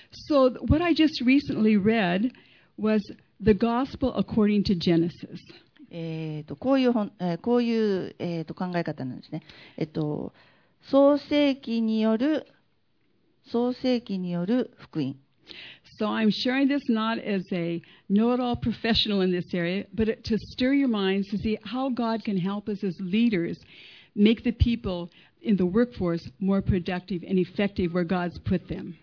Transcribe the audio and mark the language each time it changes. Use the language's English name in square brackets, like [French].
[English] So what I just recently read was The Gospel According to Genesis. [Japanese] こういう、考え方なんですね。創世記による創世記による福音。 [English] So I'm sharing this not as a know-it-all professional in this area, but to stir your minds to see how God can help us as leaders make the people in the workforce more productive and effective where God's put them.